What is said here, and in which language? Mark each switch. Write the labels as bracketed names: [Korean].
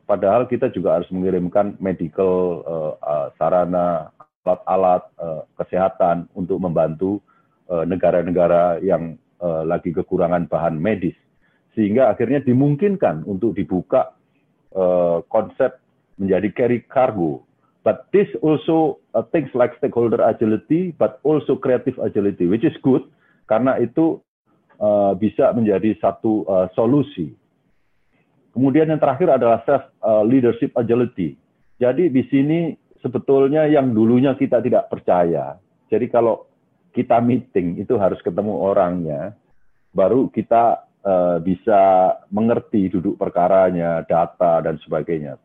[Indonesian] Padahal kita juga harus mengirimkan medical sarana, alat-alat kesehatan untuk membantu negara-negara yang lagi kekurangan bahan medis. Sehingga akhirnya dimungkinkan untuk dibuka konsep menjadi carry cargo. [English] But this also things like stakeholder agility, but also creative agility, which is good, [Indonesian] karena itu bisa menjadi satu solusi. Kemudian yang terakhir adalah self leadership agility. Jadi di sini sebetulnya yang dulunya kita tidak percaya. Jadi kalau kita meeting itu harus ketemu orangnya, baru kita bisa mengerti duduk perkaranya, data dan sebagainya.